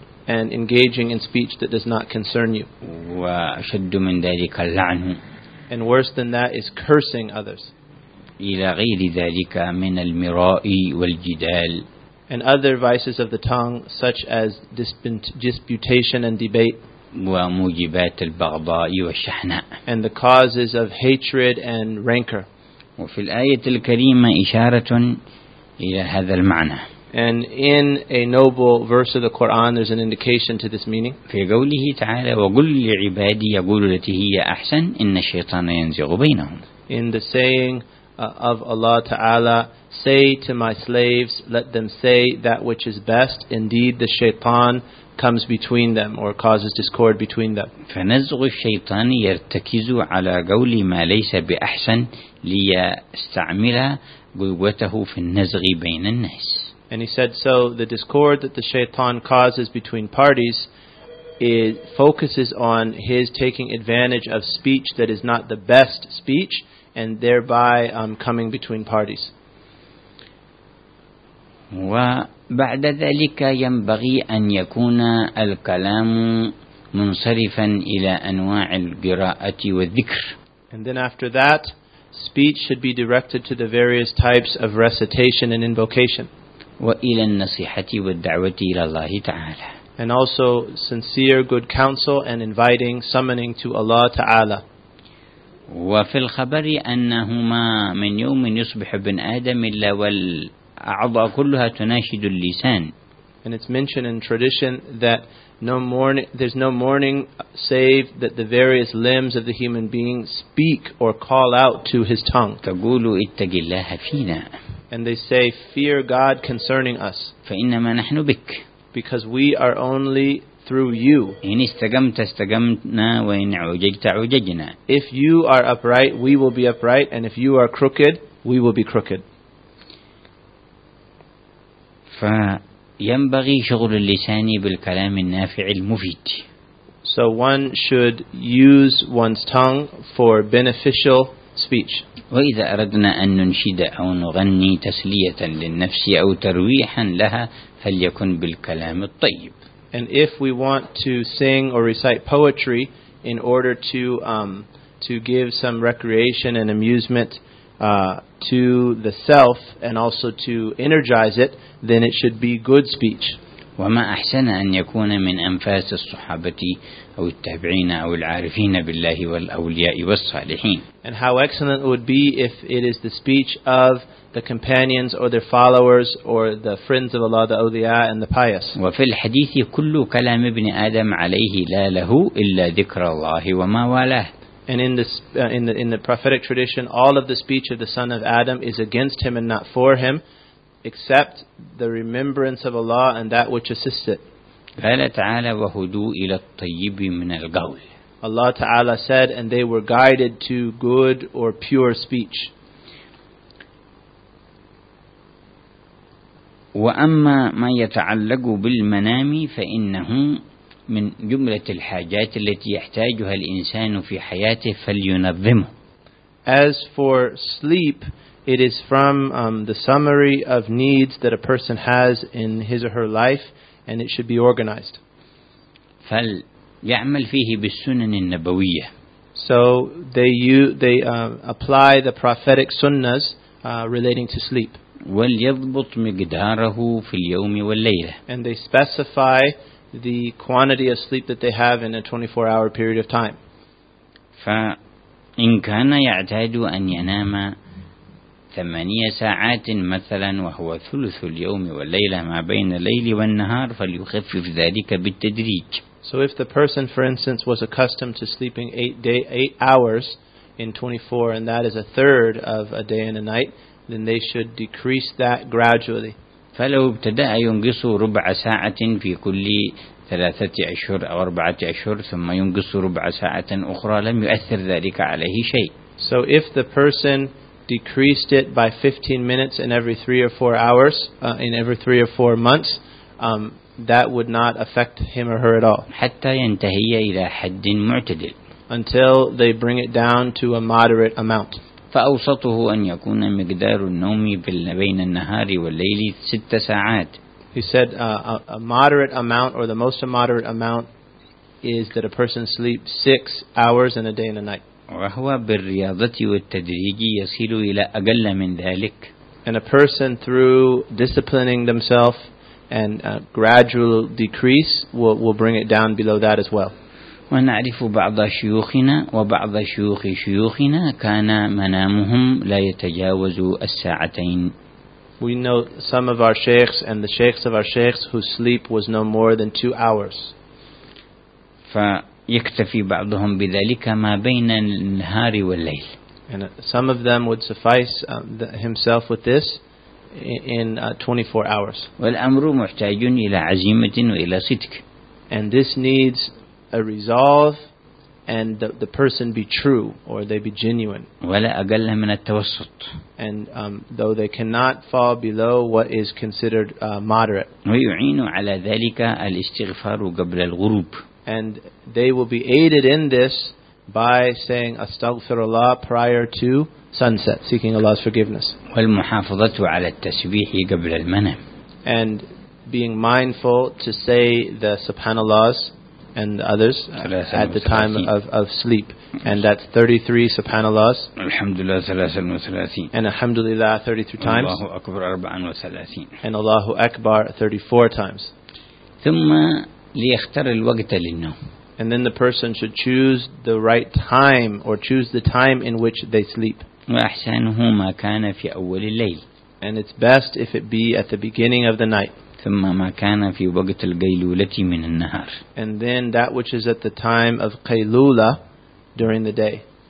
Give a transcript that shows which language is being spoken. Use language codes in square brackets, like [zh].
[en] and engaging in speech that does not concern you. [ar] وأشد من ذلك اللعن, [en] and worse than that is cursing others. [ar] إلى غير ذلك من المراء والجدال. [en] And other vices of the tongue, such as disputation and debate. [ar] وموجبات البغضاء والشحناء. [en] And the causes of hatred and rancor. [ar] وفي الآية الكريمة إشارة إلى هذا المعنى. [en] And in a noble verse of the Quran, there's an indication to this meaning. [ar] في قوله تعالى وقل لعبادي يقولوا التي هي أحسن إن الشيطان ينزغ بينهم. [en] In the saying of Allah Ta'ala, say to my slaves, let them say that which is best. Indeed, the shaytan comes between them or causes discord between them. [ar] فنزغ الشيطان يرتكز على قول ما ليس بأحسن ليستعمل قوته في النزغ بين الناس. [en] And he said, so the discord that the shaytan causes between parties, it focuses on his taking advantage of speech that is not the best speech, and thereby coming between parties. [ar] وبعد ذلك ينبغي أن يكون الكلام منصرفا إلى أنواع القراءة والذكر. [en] And then after that, speech should be directed to the various types of recitation and invocation. [ar] وإلى النصيحة والدعوة إلى الله تعالى. [en] And also sincere good counsel and inviting, summoning to Allah Ta'ala. [ar] وفي الخبر أنهما من يوم يصبح ابن آدم إلا والأعضاء كلها تناشد اللسان. [en] And it's mentioned in tradition that there's no mourning save that the various limbs of the human being speak or call out to his tongue. [ar] تقول اتق الله فينا. [en] And they say, fear God concerning us. [ar] فإنما نحن بك. [en] Because we are only through you. [ar] إن استقمت استقمنا وإن عوججت عوججنا. [en] If you are upright, we will be upright, and if you are crooked, we will be crooked. [ar] فينبغي شغل اللسان بالكلام النافع المفيد. [en] So one should use one's tongue for beneficial speech. [ar] وإذا أردنا أن ننشد أو نغني تسلية للنفس أو ترويحا لها فليكن بالكلام الطيب. [en] And if we want to sing or recite poetry in order to give some recreation and amusement to the self and also to energize it, then it should be good speech. [ar] وما أحسن أن يكون من أنفاس الصحابة أو التابعين أو العارفين بالله والأولياء والصالحين. [en] And how excellent it would be if it is the speech of the companions or their followers or the friends of Allah, the awliya and the pious. [ar] وفي الحديث كل كلام ابن آدم عليه لا له إلا ذكر الله وما والاه. [en] And in the prophetic tradition, all of the speech of the son of Adam is against him and not for him, except the remembrance of Allah and that which assists it. [ar] قال تعالى وهدوا إلى الطيب من القول. [en] Allah Ta'ala said, and they were guided to good or pure speech. [ar] وأما ما يتعلق بالمنام فإنه من جملة الحاجات التي يحتاجها الإنسان في حياته فلينظمه. [en] As for sleep, it is from the summary of needs that a person has in his or her life, and it should be organized. [ar] فليعمل فيه بالسنن النبوية. [en] So they apply the prophetic sunnas relating to sleep. [ar] وليضبط مقداره في اليوم والليلة. [en] And they specify the quantity of sleep that they have in a 24-hour period of time. [ar] فإن كان يعتاد أن ينام 8 ساعات مثلا وهو ثلث اليوم والليلة ما بين الليل والنهار فليخفف ذلك بالتدريج. [en] So if the person, for instance, was accustomed to sleeping eight hours in 24, and that is a third of a day and a night, then they should decrease that gradually. [ar] فلو ابتدأ ينقص ربع ساعة في كل 3 أشهر أو 4 أشهر ثم ينقص ربع ساعة أخرى لم يؤثر ذلك عليه شيء. [en] So if the person decreased it by 15 minutes in every 3 or 4 hours, in every 3 or 4 months, that would not affect him or her at all. [ar] حتى ينتهي إلى حد معتدل. [en] Until they bring it down to a moderate amount. [ar] فأوسطه أن يكون مقدار النوم بين النهار والليل 6 ساعات. [en] He said a moderate amount, or the most moderate amount, is that a person sleeps 6 hours in a day and a night. [ar] وهو بالرياضة والتدريج يصل إلى أقل من ذلك. [en] And a person through disciplining themselves and a gradual decrease will bring it down below that as well. [ar] ونعرف بعض شيوخنا وبعض شيوخ شيوخنا كان منامهم لا يتجاوز 2 ساعة. [en] We know some of our sheikhs and the sheikhs of our sheikhs whose sleep was no more than 2 hours. [ar] فيكتفي بعضهم بذلك ما بين النهار والليل. [en] And some of them would suffice himself with this in 24 hours. [ar] والأمر محتاج إلى عزيمة وإلى صدق. [en] And this needs a resolve, and the person be true, or they be genuine. [ar] ولا أقل من التوسط. [en] And though they cannot fall below what is considered moderate. [ar] ويعين على ذلك الاستغفار قبل الغروب. [en] And they will be aided in this by saying Astaghfirullah prior to sunset, seeking Allah's forgiveness. [ar] والمحافظة على التسبيح قبل المنام. [en] And being mindful to say the Subhanallahs and others at the time of sleep. And that's 33 subhanallahs. [ar] Alhamdulillah 33. [en] And Alhamdulillah 33 times. [ar] Allahu Akbar 34. [en] And Allahu Akbar 34 times. [ar] ثم ليختار الوقت للنوم. [en] And then the person should choose the right time, or choose the time in which they sleep. [ar] وأحسنه ما كان في أول الليل. [en] And it's best if it be at the beginning of the night. [ar] ثم ما كان في وقت القيلولة من النهار. [en] And then that which is at the time of قيلولة during the day.